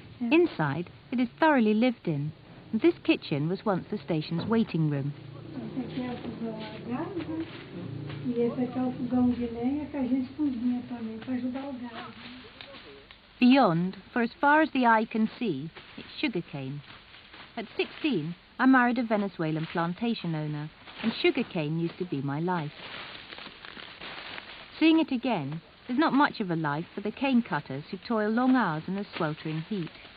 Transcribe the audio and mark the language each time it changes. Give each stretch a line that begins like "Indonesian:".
English: Inside, it is thoroughly lived in, and this kitchen was once the station's waiting room.
Portuguese: Esse aqui é o fogão a gás, né? E esse aqui é o fogão de lenha que a gente cozinha também para ajudar o gás.
English: Beyond, for as far as the eye can see, it's sugarcane. At 16, I married a Venezuelan plantation owner, and sugarcane used to be my life. Seeing it again, there's not much of a life for the cane cutters who toil long hours in the sweltering heat.